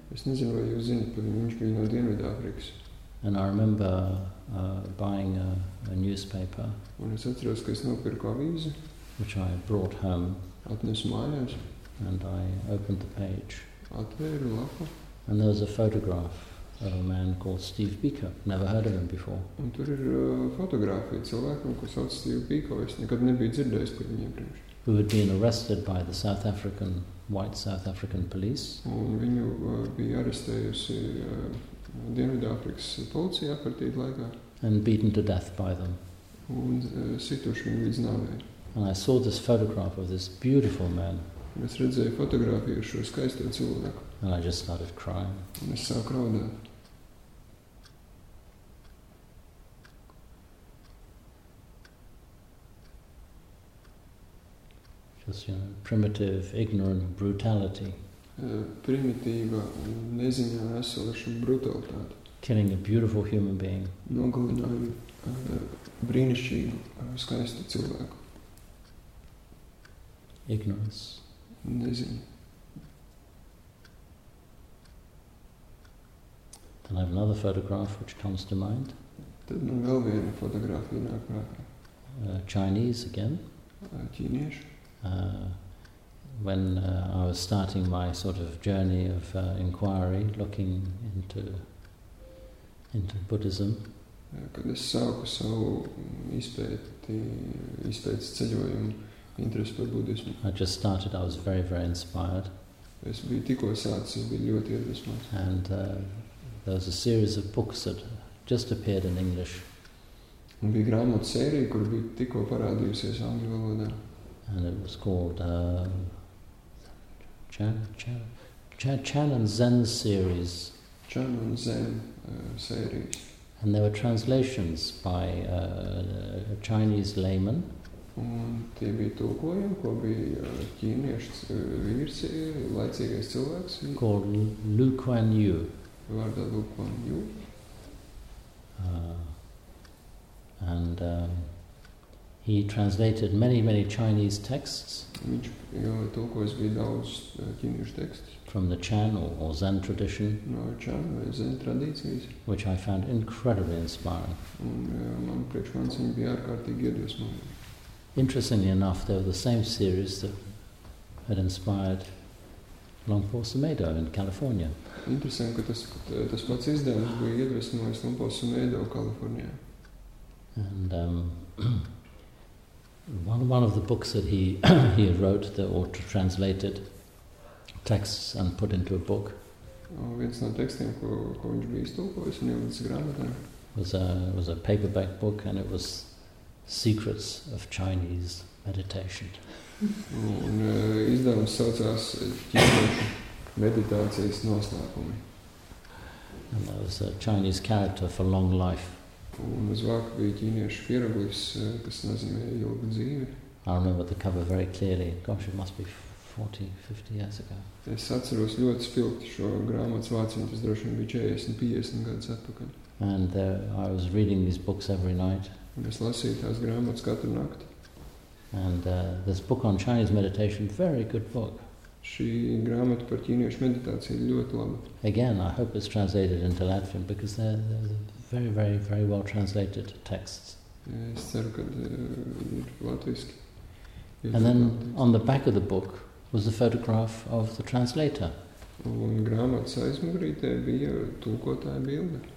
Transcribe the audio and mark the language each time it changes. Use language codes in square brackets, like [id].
[lv] Es nezinu, vai jūs zinat, bet viņš bija no Dienvidāfrikas. [en] And I remember buying a newspaper, [lv] un es atceros, ka es nopirku avīzi, [en] which I brought home. [lv] Atnesu mājās. [en] And I opened the page. [lv] Atvēru lapu. [en] And there was a photograph of a man called Steve Biko. Never heard of him before. [lv] Un tur ir fotogrāfija cilvēkam, ko sauc Steve Biko. Es nekad nebiju dzirdējis par viņu iepriekš. [en] Who had been arrested by the South African, white South African police. [lv] Un viņu bija arestējusi Dienvidāfrikas policija apkartīta laikā. [en] And beaten to death by them. [lv] Un situši viņu līdz nāvē. [en] And I saw this photograph of this beautiful man. [lv] Es redzēju fotogrāfiju šo skaisto cilvēku. [en] And I just started crying. [lv] Un es sāku raudāt. [en] Just, you know, primitive, ignorant brutality. [lv] Primitīva un neziņā esoša brutalitāte. [en] Killing a beautiful human being. [lv] Nogalināju brīnišķīgu, skaistu cilvēku. [en] Ignorance. [lv] Neziņa. [en] Then I have another photograph which comes to mind. [lv] Tad man vēl viena fotogrāfija nāk prātā. [en] Chinese again. [lv] Ķīnieši. [en] When I was starting my sort of journey of inquiry, looking into Buddhism. [lv] Kad es sāku savu izpētes ceļojumu interesi par Budismu. [en] I just started, I was very, very inspired. [lv] Es biju tikko sācis, es biju ļoti iedvesmots. [en] And there was a series of books that just appeared in English. [lv] Un bija grāmatu sērija, kur bija tikko parādījusies angļu valodā. [en] And it was called Chan and Zen series. Chan and Zen series. And there were translations by a Chinese layman. [lv] Un tie bija tulkojumi, ko bija ķīniešs vīrs, laicīgais cilvēks. [en] Called Lu Kuan Yu. [lv] Vārdā Lu Kuan Yu. [en] And he translated many, many Chinese texts. [lv] Viņš tulkojis bija daudz ķīniešu tekstus. [en] From the Chan or Zen tradition. [lv] No Chan vai Zen tradīcijas. [en] Which I found incredibly inspiring. [lv] Un man priekš manis viņi bija ārkārtīgi iedvesmojumi. [en] Interestingly enough, they were the same series that had inspired Longpo Sumedho in California. Interesting, [lv] ka tas pats izdevums bija iedvesmojis Longpo Sumedho Kalifornijā. [en] And one of the books that he wrote that or translated texts and put into a book. [lv] Viens no tekstiem, ko viņš bija iztulkojis un ielicis grāmatā. [en] Was a paperback book and it was Secrets of Chinese Meditation. [lv] Un izdevums saucās Ķīniešu meditācijas noslēpumi. [en] And there was a Chinese character for long life. [lv] Un uz vāku bija ķīniešu hieroglifs, kas nozīmē ilgu dzīvi. [en] I remember the cover very clearly. Gosh, it must be 40, 50 years ago. [lv] Es atceros ļoti spilgti šo grāmatas vācu, tas droši vien bija 40, 50 gadus atpakaļ. [en] And I was reading these books every night. [lv] Un es lasīju tās grāmatas katru nakti. [en] And this book on Chinese meditation, very good book. [lv] Šī grāmata par ķīniešu meditāciju ir ļoti laba. [en] Again, I hope it's translated into Latvian because they're very, very, very well translated texts. [lv] Es ceru, ka ir latviski. [en] And then on the back of the book was the photograph of the translator. [lv] Un grāmatas aizmugurītē bija tulkotāja bilde.